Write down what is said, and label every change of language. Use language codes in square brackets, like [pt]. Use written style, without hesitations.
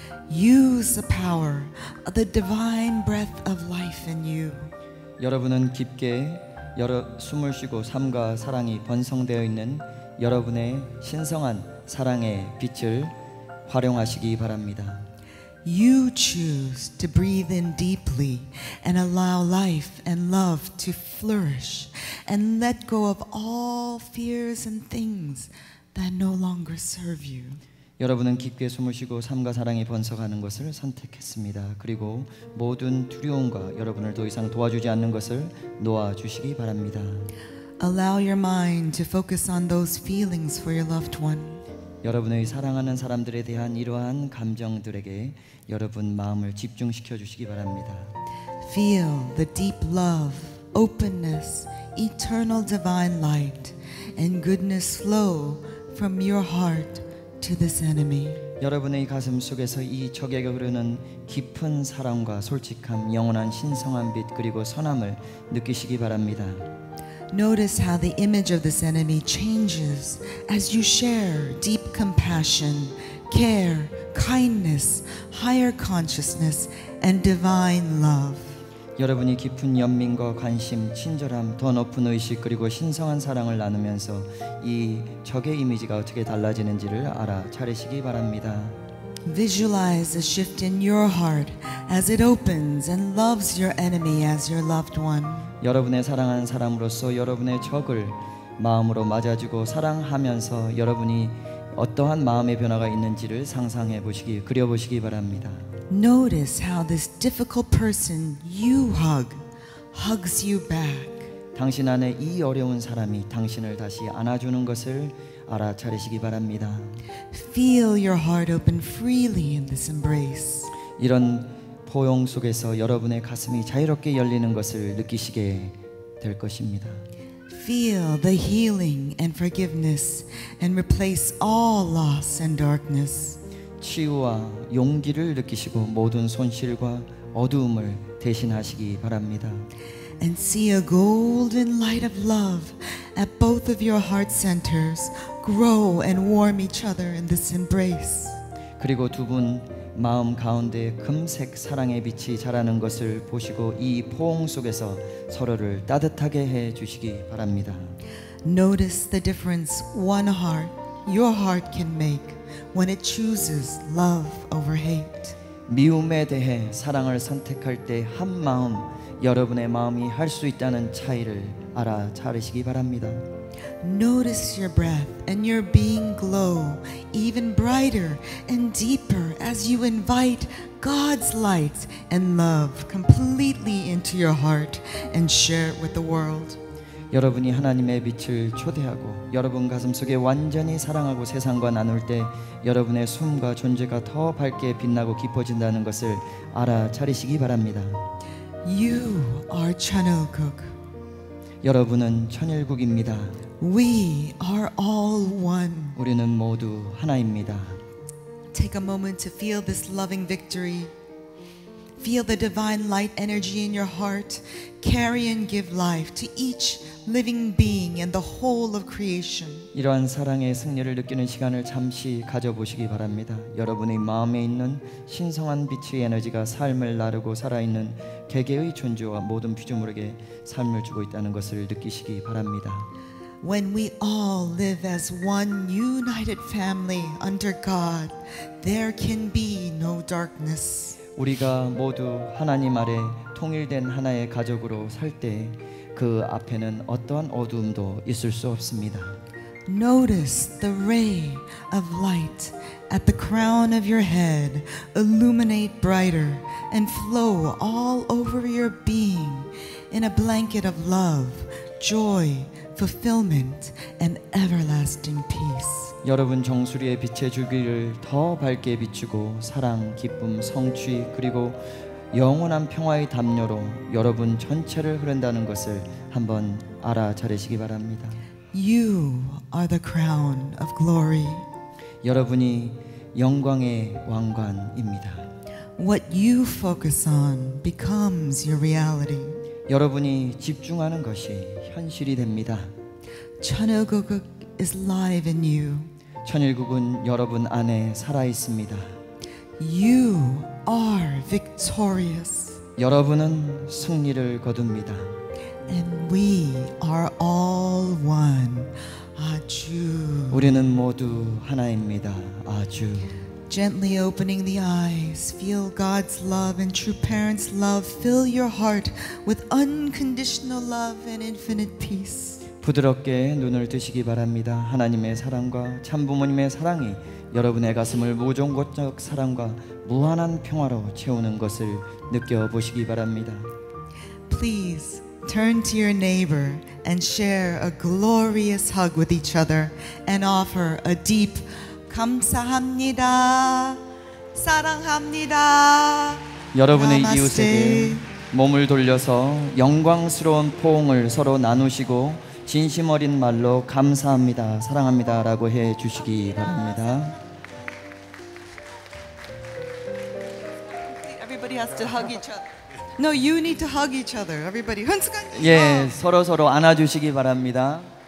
[en] Use the power of the divine breath of life in you. [ko] 여러분은 깊게 여러 숨을 쉬고 삶과 사랑이 번성되어 있는 여러분의 신성한 사랑의 빛을 활용하시기 바랍니다. [en] You choose to breathe in deeply and allow life and love to flourish and let go of all fears and things that no longer serve you. [ko] 여러분은 깊게 숨을 쉬고 삶과 사랑이 번성하는 것을 선택했습니다. 그리고 모든 두려움과 여러분을 더 이상 도와주지 않는 것을 놓아주시기 바랍니다. [en] Allow your mind to focus on those feelings for your loved one. [ko] 여러분의 사랑하는 사람들에 대한 이러한 감정들에게 여러분 마음을 집중시켜 주시기 바랍니다. [en] Feel the deep love, openness, eternal divine light and goodness flow from your heart to this enemy. [ko] 여러분의 가슴 속에서 이 적에게 흐르는 깊은 사랑과 솔직함, 영원한 신성한 빛 그리고 선함을 느끼시기 바랍니다. [en] Notice how the image of this enemy changes as you share deep compassion, care, kindness, higher consciousness, and divine love. [ko] 여러분이 깊은 연민과 관심, 친절함, 더 높은 의식 그리고 신성한 사랑을 나누면서 이 적의 이미지가 어떻게 달라지는지를 알아차리시기 바랍니다. [en] Visualize a shift in your heart as it opens and loves your enemy as your loved one. [ko] 여러분의 사랑하는 사람으로서 여러분의 적을 마음으로 맞아주고 사랑하면서 여러분이 어떠한 마음의 변화가 있는지를 상상해 보시기, 그려 보시기 바랍니다. [en] Notice how this difficult person you hug hugs you back. [ko] 당신 안에 이 어려운 사람이 당신을 다시 안아주는 것을 알아차리시기 바랍니다. [en] Feel your heart open freely in this embrace. [ko] 이런 포용 속에서 여러분의 가슴이 자유롭게 열리는 것을 느끼시게 될 것입니다. [en] Feel the healing and forgiveness and replace all loss and darkness. [ko] 치유와 용기를 느끼시고 모든 손실과 어두움을 대신하시기 바랍니다. [en] And see a golden light of love at both of your heart centers grow and warm each other in this embrace. [ko] 그리고 두 분 마음 가운데 금색 사랑의 빛이 자라는 것을 보시고 이 포옹 속에서 서로를 따뜻하게 해 주시기 바랍니다. [en] Notice the difference one heart, your heart can make when it chooses love over hate. [ko] 미움에 대해 사랑을 선택할 때 한 마음, 여러분의 마음이 할 수 있다는 차이를 알아차리시기 바랍니다. [en] Notice your breath and your being glow even brighter and deeper as you invite God's light and love completely into your heart and share it with the world. [ko] 여러분이 하나님의 빛을 초대하고 여러분 가슴 속에 완전히 사랑하고 세상과 나눌 때 여러분의 숨과 존재가 더 밝게 빛나고 깊어진다는 것을 알아차리시기 바랍니다. [en] You are Chanelguk. [ko] 여러분은 천일국입니다. [en] We are all one. [ko] 우리는 모두 하나입니다. [en] Take a moment to feel this loving victory. Feel the divine light energy in your heart. Carry and give life to each living being and the whole of creation. [ko] 이러한 사랑의 승리를 느끼는 시간을 잠시 가져보시기 바랍니다. 여러분의 마음에 있는 신성한 빛의 에너지가 삶을 나르고 살아있는 개개의 존재와 모든 피조물에게 삶을 주고 있다는 것을 느끼시기 바랍니다. [en] When we all live as one united family under God, there can be no darkness. [ko] 우리가 모두 하나님 아래 통일된 하나의 가족으로 살 때 그 앞에는 어떠한 어둠도 있을 수 없습니다. [en] Notice the ray of light at the crown of your head illuminate brighter and flow all over your being in a blanket of love, joy, fulfillment and everlasting peace. [ko] 여러분 정수리의 빛의 줄기를 더 밝게 비추고 사랑, 기쁨, 성취 그리고 영원한 평화의 담요로 여러분 전체를 흐른다는 것을 한번 알아차리시기 바랍니다. [en] You are the crown of glory. [ko] 여러분이 영광의 왕관입니다. [en] What you focus on becomes your reality. [ko] 여러분이 집중하는 것이 현실이 됩니다. [en] 천일국 is live in you. [ko] 천일국은 여러분 안에 살아 있습니다. [en] You are victorious. [ko] 여러분은 승리를 거둡니다. [en] And we are all one. 아주. [ko] 우리는 모두 하나입니다. 아주. [en] Gently opening the eyes, feel God's love and true parents' love fill your heart with unconditional love and infinite peace. [ko] 부드럽게 눈을 뜨시기 바랍니다. 하나님의 사랑과 참부모님의 사랑이 여러분의 가슴을 무종고적 사랑과 무한한 평화로 채우는 것을 느껴보시기 바랍니다. [en] Please turn to your neighbor and share a glorious hug with each other and offer a deep [ko] 감사합니다. 사랑합니다. 여러분의 Namaste. 이웃에게 몸을 돌려서 영광스러운 포옹을 서로 나누시고 진심 어린 말로 감사합니다, 사랑합니다 라고 해 주시기 바랍니다. [en] Everybody has to hug each other. No, you need to hug each other. Everybody. [ko] 예, 서로서로 안아주시기 바랍니다.